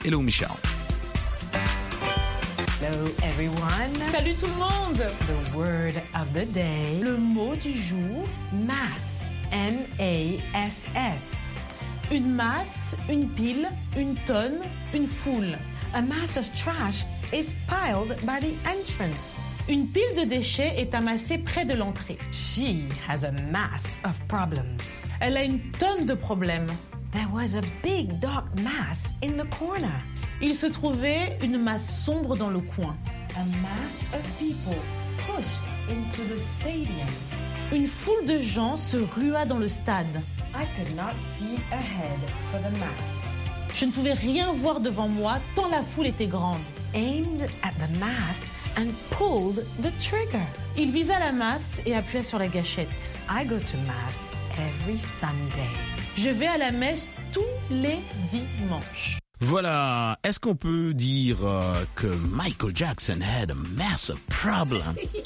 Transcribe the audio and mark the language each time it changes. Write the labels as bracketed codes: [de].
[en] Hello, Michel. Hello, everyone. [fr] Salut tout le monde. [en] The word of the day. [fr] Le mot du jour. [en] Mass. M-A-S-S. [fr] Une masse, une pile, une tonne, une foule. [en] A mass of trash is piled by the entrance. [fr] Une pile de déchets est amassée près de l'entrée. [en] She has a mass of problems. [fr] Elle a une tonne de problèmes. [en] There was a big dark mass in the corner. [fr] Il se trouvait une masse sombre dans le coin. [en] A mass of people pushed into the stadium. [fr] Une foule de gens se rua dans le stade. [en] I could not see ahead for the mass. [fr] Je ne pouvais rien voir devant moi tant la foule était grande. [en] Aimed at the mass and pulled the trigger. [fr] Il visa la masse et appuya sur la gâchette. [en] I go to mass every Sunday. [fr] Je vais à la messe tous les dimanches. Voilà, est-ce qu'on peut dire que Michael Jackson [en] had a massive problem?